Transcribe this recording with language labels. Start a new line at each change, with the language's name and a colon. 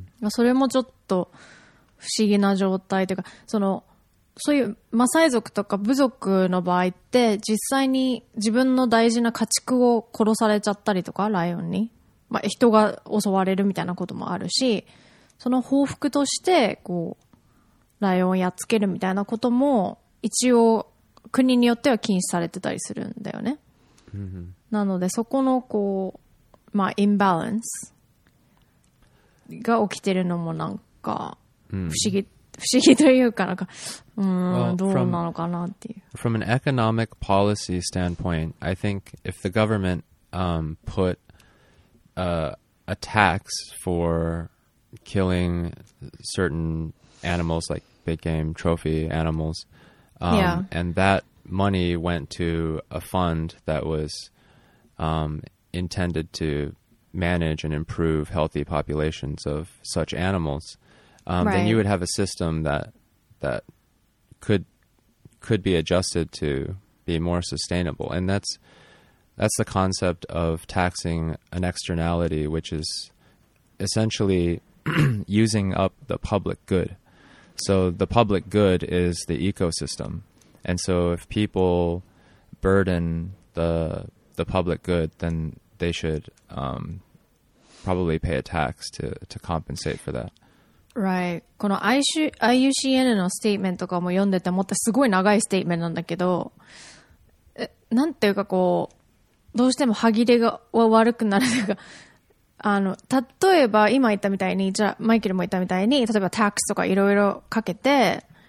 Japanese: それもちょっと不思議な状態というか、そのそういうマサイ族とか部族の場合って実際に自分の大事な家畜を殺されちゃったりとか、ライオンに、まあ、人が襲われるみたいなこともあるし、その報復としてこうライオンをやっつけるみたいなことも一応国によっては禁止されてたりするんだよね。なのでそこのこう、まあ、インバランスが起きてるのもなんか不思議、不思議というかなんか、どうなのかなっていう。
English: From an economic policy standpoint, I think if the government put a tax for killing certain animals like big game trophy animals, and that money went to a fund that was intended to manage and improve healthy populations of such animals. Then you would have a system that could be adjusted to be more sustainable. And that's the concept of taxing an externality, which is essentially using up the public good. So the public good is the ecosystem. And so if people burden the public good, then they should probably pay a tax to compensate for that. Right.
Japanese: この IUCN のステートメントとかも読んでて思った、すごい長いステートメントなんだけど、なんていうかこう、どうしても歯切れが悪くなるというか、あの、例えば今言ったみたいに、じゃあマイケルも言ったみたいに、例えばタックスとかいろいろかけて、